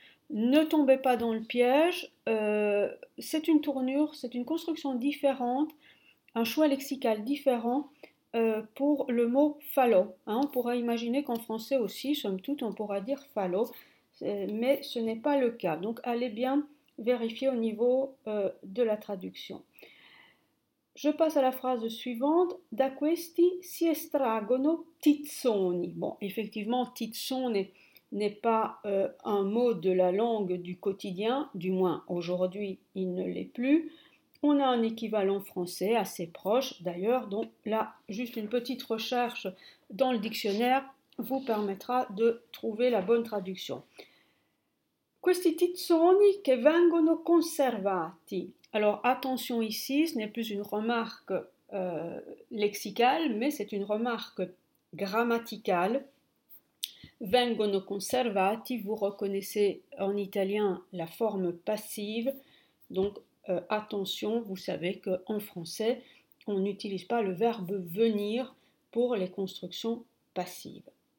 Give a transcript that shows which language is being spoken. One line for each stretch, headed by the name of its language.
French: Ne tombez pas dans le piège, c'est une tournure, c'est une construction différente, un choix lexical différent pour le mot phallo. Hein, on pourrait imaginer qu'en français aussi, somme toute, on pourra dire phallo, mais ce n'est pas le cas. Donc allez bien vérifier au niveau de la traduction. Je passe à la phrase suivante.
Italian: Da questi si estragono tizzoni.
French: Bon, effectivement, tizzone n'est pas un mot de la langue du quotidien, du moins aujourd'hui il ne l'est plus. On a un équivalent français assez proche d'ailleurs, donc là juste une petite recherche dans le dictionnaire vous permettra de trouver la bonne traduction.
Italian: Questi tizzoni che vengono conservati.
French: Alors attention ici, ce n'est plus une remarque lexicale, mais c'est une remarque grammaticale.
Italian: Vengono conservati,
French: vous reconnaissez en italien la forme passive, donc attention, vous savez qu'en français, on n'utilise pas le verbe venir pour les constructions passives.